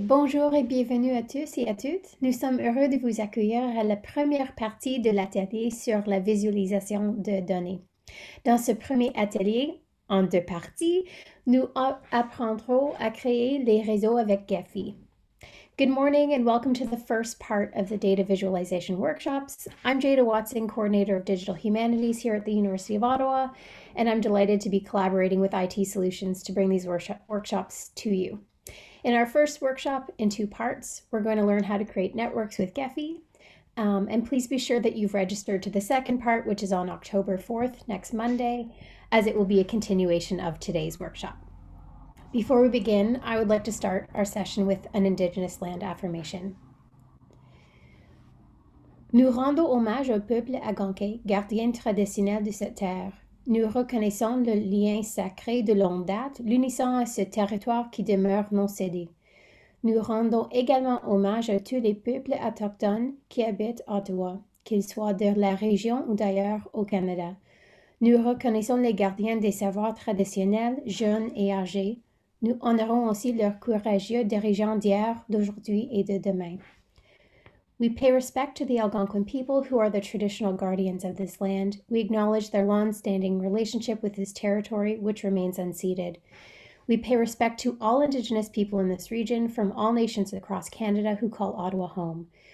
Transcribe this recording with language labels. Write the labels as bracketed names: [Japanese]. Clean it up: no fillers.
[French] Bonjour et bienvenue à tous et à toutes. Nous sommes heureux de vous accueillir à la première partie de l'atelier sur la visualisation de données. Dans ce premier atelier, en deux parties, nous apprendrons à créer les réseaux avec Gephi. [English] Good morning and welcome to the first part of the data visualization workshops. I'm Jada Watson, coordinator of digital humanities here at the University of Ottawa, and I'm delighted to be collaborating with IT Solutions to bring these workshops to you. In our first workshop in two parts, we're going to learn how to create networks with Gephi. And please be sure that you've registered to the second part, which is on October 4th, next Monday, as it will be a continuation of today's workshop. Before we begin, I would like to start our session with an Indigenous land affirmation. [French] Nous rendons hommage au peuple Agonquin, gardien traditionnel de cette terre. Nous reconnaissons le lien sacré de longue date, l'unissant à ce territoire qui demeure non cédé. Nous rendons également hommage à tous les peuples autochtones qui habitent Ottawa, qu'ils soient de la région ou d'ailleurs au Canada. Nous reconnaissons les gardiens des savoirs traditionnels, jeunes et âgés. Nous honorons aussi leurs courageux dirigeants d'hier, d'aujourd'hui et de demain. [English] We pay respect to the Algonquin people who are the traditional guardians of this land. We acknowledge their long-standing relationship with this territory, which remains unceded. We pay respect to all Indigenous people in this region from all nations across Canada who call Ottawa home.